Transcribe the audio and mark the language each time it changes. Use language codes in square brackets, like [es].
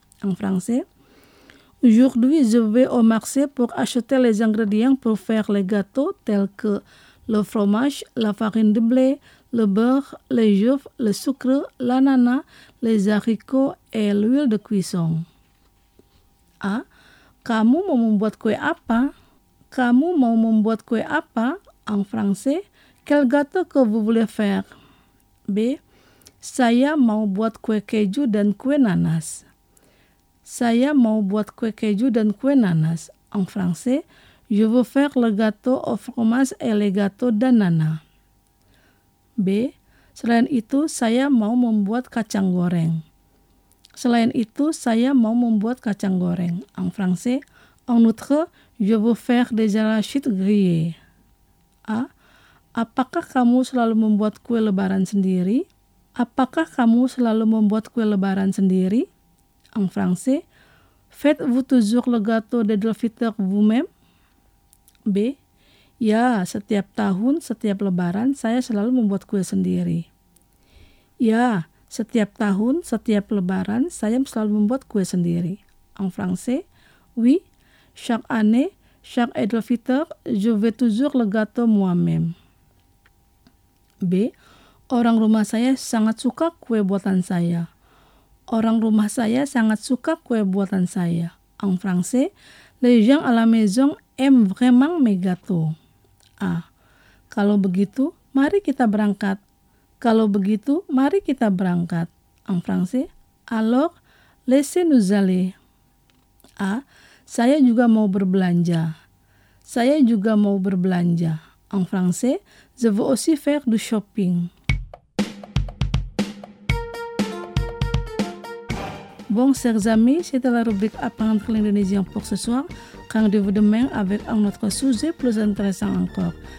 [fr] En français, aujourd'hui je vais au marché pour acheter les ingrédients pour faire les gâteaux tels que le fromage, la farine de blé, le beurre, les œufs, le sucre, l'ananas, les haricots et l'huile de cuisson. A. [id] Kamu mau membuat kue apa? Kamu mau membuat kue apa? [fr] En français, quel gâteau que vous voulez faire? B. [id] Saya mau buat kue keju dan kue nanas. Saya mau buat kue keju dan kue nanas. [fr] En français, je veux faire le gâteau au fromage et le gâteau d'ananas. B. [id] Selain itu, saya mau membuat kacang goreng. Selain itu, saya mau membuat kacang goreng. [fr] En français, en outre, je veux faire des arachides grillées. A. [id] Apakah kamu selalu membuat kue lebaran sendiri? Apakah kamu selalu membuat kue lebaran sendiri? [fr] En français, faites-vous toujours le gâteau de Delphiteur vous-même? B. [id] Ya, setiap tahun, setiap lebaran, saya selalu membuat kue sendiri. Ya, setiap tahun, setiap lebaran, saya selalu membuat kue sendiri. [fr] En français, oui, chaque année, chaque Delphiteur, je fais toujours le gâteau moi-même. B. [id] Orang rumah saya sangat suka kue buatan saya. Orang rumah saya sangat suka kue buatan saya. [fr] En français, les gens à la maison aiment vraiment mes gâteaux. A. [id] Kalau begitu, mari kita berangkat. Kalau begitu, mari kita berangkat. [fr] En français, alors, laissez-nous aller. A. [id] Saya juga mau berbelanja. Saya juga mau berbelanja. [fr] En français, je veux aussi faire du shopping. Bon, chers amis, c'était la rubrique Apprendre l'Indonésien pour ce soir. Rendez-vous demain avec un autre sujet plus intéressant encore.